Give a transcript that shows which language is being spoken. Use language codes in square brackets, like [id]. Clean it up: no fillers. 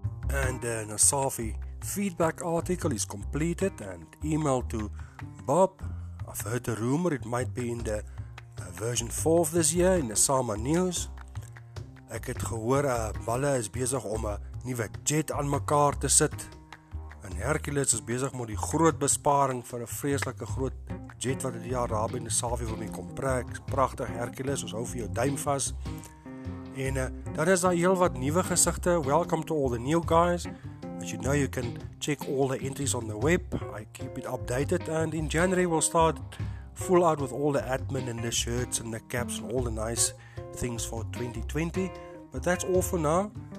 [en] And Nasafi feedback article is completed and emailed to Bob. I've heard a rumor it might be in the version 4 of this year in the summer news. [af] Ek het gehoor Balle is besig om 'n nuwe jet aan mekaar te sit. En Hercules is besig met die groot besparing vir 'n vreeslike groot jet wat hulle daar naby Nasafi wil kom trek. Pragtig Hercules, ons hou vir jou duim vas. En dan is daar heel wat nuwe gesigte. [en] Welcome to all the new guys. As you know, you can check all the entries on the web. I keep it updated, and in January we'll start full out with all the admin and the shirts and the caps and all the nice things for 2020. But that's all for now.